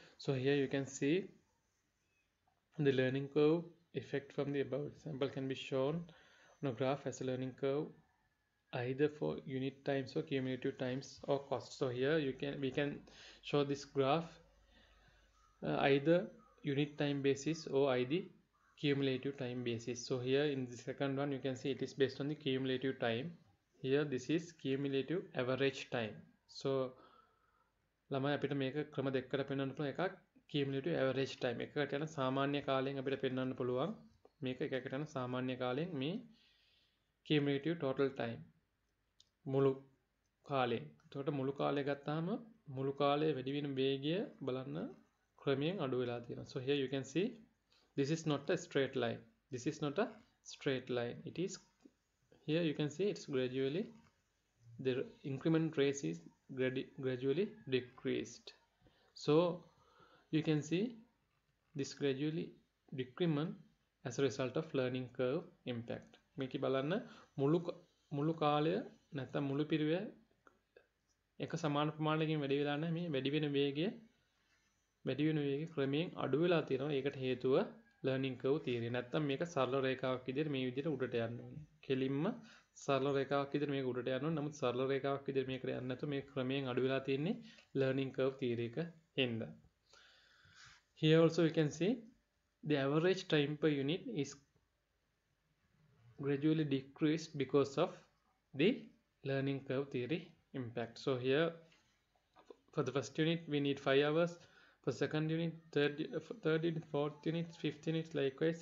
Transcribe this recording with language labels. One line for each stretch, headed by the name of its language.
English: So here you can see the learning curve effect from the above example can be shown on a graph as a learning curve, either for unit times or cumulative times or cost. So here we can show this graph either unit time basis or either cumulative time basis. So here in the second one you can see it is based on the cumulative time. Here this is cumulative average time.
Sinhala: So ළමයි අපිට මේක ක්‍රම දෙකකට පෙන්වන්න පුළුවන්. එකක් cumulative average time, එකකට යන සාමාන්‍ය කාලයෙන් අපිට පෙන්වන්න පුළුවන්. මේක එකකට යන සාමාන්‍ය කාලයෙන් මේ cumulative total time මුළු කාලයෙන්. එතකොට මුළු කාලය ගත්තාම මුළු කාලයේ වැඩි වෙන වේගය බලන්න ක්‍රමයෙන් අඩු වෙලා තියෙනවා.
English: So here you can see this is not a straight line. This is not a straight line. It is here you can see it's gradually the increment rate is gradually decreased. So you can see this gradually decrement as a result of learning curve impact.
Sinhala: මේක බලන්න මුළු කාලය නැත්නම් මුළු පිරිවැය එක සමාන ප්‍රමාණයකින් වැඩි වෙලා නැහැ. මේ වැඩි වෙන වේගය වැඩි වෙන වේගයේ ක්‍රමයෙන් අඩු වෙලා තියෙනවා. ඒකට හේතුව ලර්නින් කර්ව් තියෙන. නැත්තම් මේක සරල රේඛාවක් විදිහට මේ විදිහට උඩට යන්න ඕනේ. කෙලින්ම සරල රේඛාවක් විදිහට මේක උඩට යන්න ඕනේ. නමුත් සරල රේඛාවක් විදිහට මේකට යන්න නැතුව මේ ක්‍රමයෙන් අඩු වෙලා තින්නේ ලර්නින් කර්ව් තියෙන එක හින්දා.
English: Here also we can see the average time per unit is gradually decreased because of the learning curve theory impact. So here for the first unit we need 5 hours. For second unit, third unit, fourth unit, fifth unit, likewise.